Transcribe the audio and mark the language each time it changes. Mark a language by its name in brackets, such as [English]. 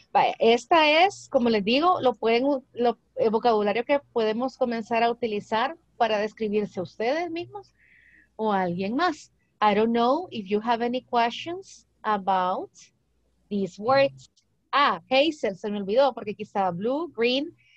[Spanish] Vaya, esta es, como les digo, el vocabulario que podemos comenzar a utilizar para describirse ustedes mismos o alguien más. [English] I don't know if you have any questions about these words. [Spanish] Ah, Hazel, se me olvidó, porque aquí está blue, green.